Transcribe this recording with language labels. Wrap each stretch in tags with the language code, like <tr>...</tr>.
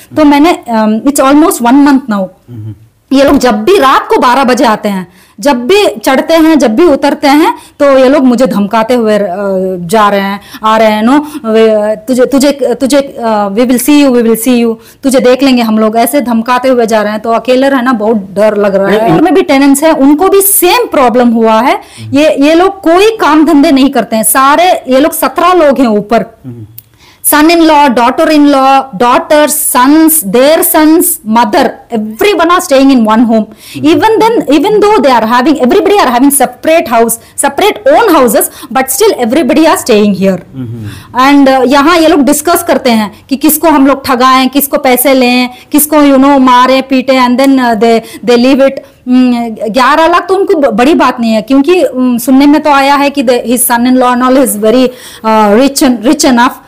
<hi>तो मैंने</hi> <en>it's almost 1 month now,</en> <hi>ये लोग जब भी रात को 12 बजे आते हैं, जब भी चढ़ते हैं, जब भी उतरते हैं, तो ये लोग मुझे धमकाते हुए जा रहे हैं, आ रहे हैं. नो, तुझे</hi> <en>we will see you,</en> <hi>तुझे देख लेंगे हम लोग, ऐसे धमकाते हुए जा रहे हैं. तो अकेले रहना बहुत डर लग रहा है. इनमें भी टेनेंट्स हैं, उनको भी सेम प्रॉब्लम हुआ है. ये लोग कोई काम धंधे नहीं करते हैं, सारे ये लोग 17 लोग हैं ऊपर.</hi> <en>Son in law, daughter in law, daughters, sons, their sons, mother, everyone are staying in one home. Mm-hmm. Even though everybody are having separate own houses, but still everybody are staying here. Mm-hmm.</en> <hi>And यहाँ ये लोग discuss करते हैं कि किसको हम लोग ठगाएं, किसको पैसे लें, किसको</hi> <en>you know</en> <hi>मारे पीटे,</hi> <en>and then they leave it.</en> <hi>11 lakh तो उनको बड़ी बात नहीं है, क्योंकि सुनने में तो आया है कि</hi> <en>his son in law and all is very rich enough.</en>